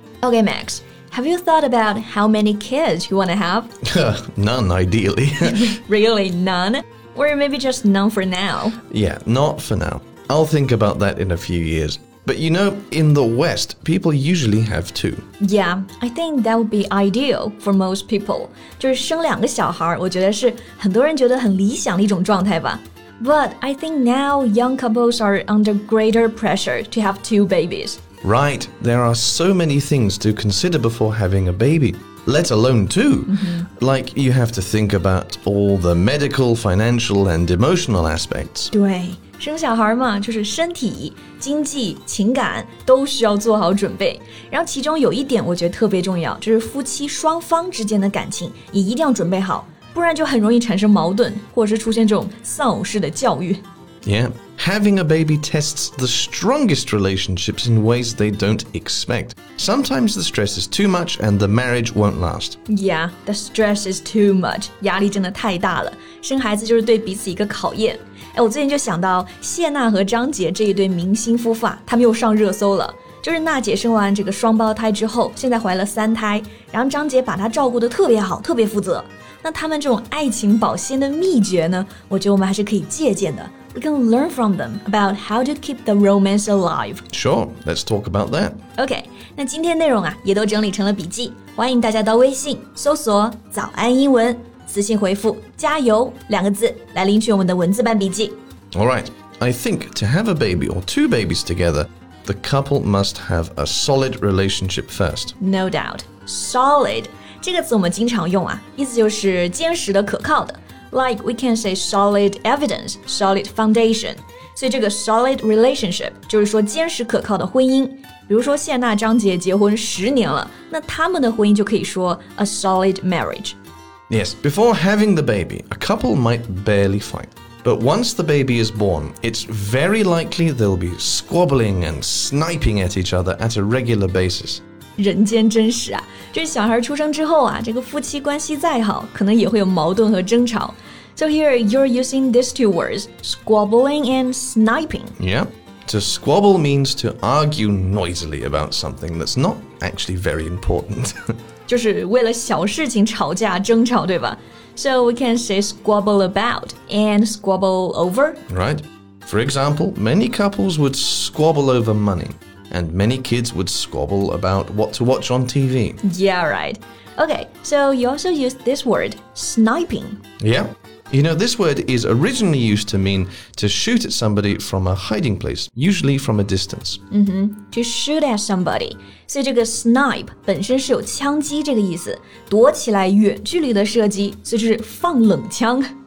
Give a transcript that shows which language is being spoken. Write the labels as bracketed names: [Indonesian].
[English] Okay, Max, have you thought about how many kids you want to have? None, ideally. Really, none? Or maybe just none for now? Yeah, not for now. I'll think about that in a few years. But you know, in the West, people usually have two. Yeah, I think that would be ideal for most people. [Chinese] 就是生两个小孩，我觉得是很多人觉得很理想的一种状态吧。 [English] But I think now young couples are under greater pressure to have two babies. Right, there are so many things to consider before having a baby, let alone two. Mm-hmm. Like, you have to think about all the medical, financial, and emotional aspects. [Chinese] 对，生小孩嘛，就是身体、经济、情感都需要做好准备。然后其中有一点我觉得特别重要，就是夫妻双方之间的感情也一定要准备好，不然就很容易产生矛盾，或者是出现这种丧偶式的教育。 [English] Yeah, having a baby tests the strongest relationships in ways they don't expect. Sometimes the stress is too much and the marriage won't last. Yeah, the stress is too much. [Chinese] 压力真的太大了。生孩子就是对彼此一个考验。哎，我最近就想到谢娜和张杰这一对明星夫妇啊，他们又上热搜了。就是娜姐生完这个双胞胎之后，现在怀了三胎，然后张杰把她照顾得特别好，特别负责。那他们这种爱情保鲜的秘诀呢，我觉得我们还是可以借鉴的。 [English] We can learn from them about how to keep the romance alive. Sure, let's talk about that. Okay, [Chinese] 那今天内容啊也都整理成了笔记。欢迎大家到微信搜索早安英文，私信回复加油两个字来领取我们的文字版笔记。 [English] Alright, I think to have a baby or two babies together, the couple must have a solid relationship first. No doubt. [Chinese] Solid, 这个词我们经常用啊，意思就是坚实的可靠的。 [English] Like, we can say solid evidence, solid foundation. [Chinese] 所以这个 solid relationship, 就是说坚实可靠的婚姻。比如说谢娜张杰结婚十年了，那他们的婚姻就可以说 [English] a solid marriage. Yes, before having the baby, a couple might barely fight. But once the baby is born, it's very likely they'll be squabbling and sniping at each other at a regular basis. [Chinese] 人间真实啊，这小孩出生之后啊，这个夫妻关系再好，可能也会有矛盾和争吵。 [English] So here, you're using these two words, squabbling and sniping. Yeah, to squabble means to argue noisily about something that's not actually very important. [Chinese] 就是为了小事情吵架争吵，对吧？ [English] So we can say squabble about and squabble over. Right. For example, many couples would squabble over money. And many kids would squabble about what to watch on TV. Yeah, right. Okay, so you also used this word, sniping. Yeah. You know, this word is originally used to mean to shoot at somebody from a hiding place, usually from a distance. Mm-hmm. To shoot at somebody. [Chinese] 所以这个 snipe 本身是有枪击这个意思，躲起来远距离的射击，所以就是放冷枪。